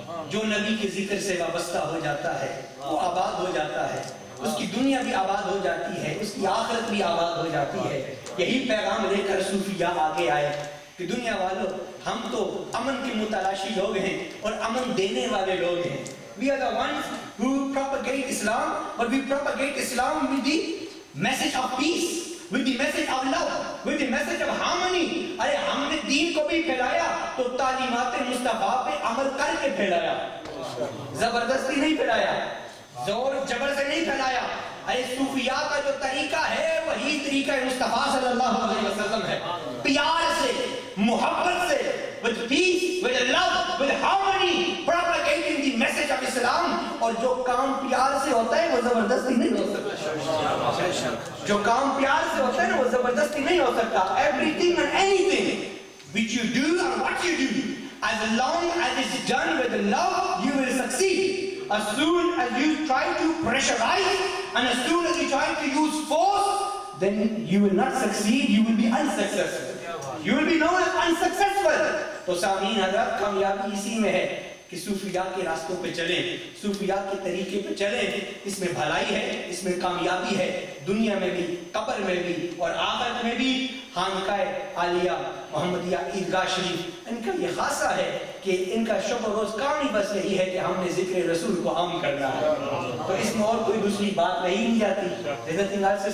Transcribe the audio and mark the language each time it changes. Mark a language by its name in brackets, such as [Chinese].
[Urdu] جو نبی کے ذکر سے وابستہ ہو جاتا ہے وہ آباد ہو جاتا ہے، اس کی دنیا بھی آباد ہو جاتی ہے، اس کی آخرت بھی آباد ہو جاتی ہے. یہی پیغام لے کر صوفیہ آگے آئے کہ دنیا والوں، ہم تو امن کی متلاشی لوگ ہیں اور امن دینے والے لوگ ہیں. [English] We are the ones who propagate Islam, but we propagate Islam with the message of peace, with the message of love, with the message of harmony. [Urdu] ارے ہم نے دین کو بھی پھیلایا تو تعلیمات مصطفیٰ پہ عمل کر کے پھیلایا، زبردستی نہیں پھیلایا، زور جبر سے نہیں پھیلایا. ارے صوفیہ کا جو طریقہ ہے وہی طریقہ مصطفیٰ صلی اللہ علیہ وسلم ہے، پیار سے، محبت سے، [English] with peace, with love, with harmony, propagating the message of Islam. [Urdu] اور جو کام پیار سے ہوتا ہے وہ زبردستی نہیں ہو سکتا، جو کام پیار سے ہوتا ہے وہ زبردستی نہیں ہو سکتا. [English] Everything and anything which you do or what you do, as long as it's done with love, you will succeed. As soon as you try to pressurize and as soon as you try to use force, then you will not succeed, you will be unsuccessful. You will be known as unsuccessful. [Urdu] تو سامعین حضرات، کامیابی اسی میں ہے کہ صوفیاء کے راستوں پہ چلیں، صوفیاء کے طریقے پہ چلیں. اس میں بھلائی ہے، اس میں کامیابی ہے، دنیا میں بھی، قبر میں بھی اور آخرت میں بھی. خانقاہ عالیہ محمدیہ عیدگاہ شریف، ان کا یہ خاصہ ہے کہ ان کا شب و روز کام ہی بس یہی ہے کہ ہم نے ذکر رسول کو عام کرنا ہے، تو اس میں اور کوئی دوسری بات نہیں لی جاتی.